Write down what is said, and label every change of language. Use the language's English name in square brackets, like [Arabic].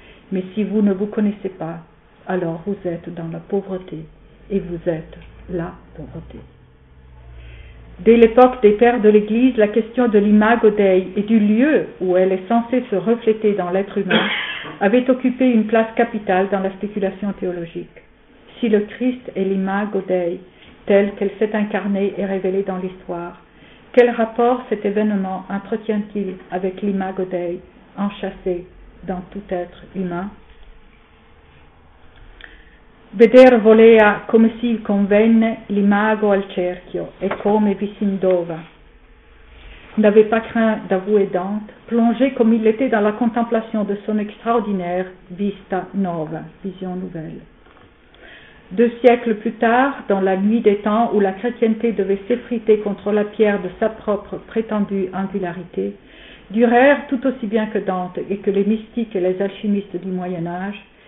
[French] Mais si vous ne vous connaissez pas, alors vous êtes dans la pauvreté et vous êtes la pauvreté. » Dès l'époque des Pères de l'Église, la question de l'imago Dei et du lieu où elle est censée se refléter dans l'être humain avait occupé une place capitale dans la spéculation théologique. Si le Christ est l'imago Dei, telle qu'elle s'est incarnée et révélée dans l'histoire, quel rapport cet événement entretient-il avec l'imago Dei, enchâssée dans tout être humain? [Italian] Veder volea come si convenne l'imago al cerchio e come vi s'indova. [French] N'avait pas craint d'avouer Dante, plongé comme il l'était dans la contemplation de son extraordinaire vista nova, vision nouvelle. Deux siècles plus tard, dans la nuit des temps où la chrétienté devait s'effriter contre la pierre de sa propre prétendue angularité, Dürer, tout aussi bien que Dante et que les mystiques et les alchimistes du Moyen-Âge,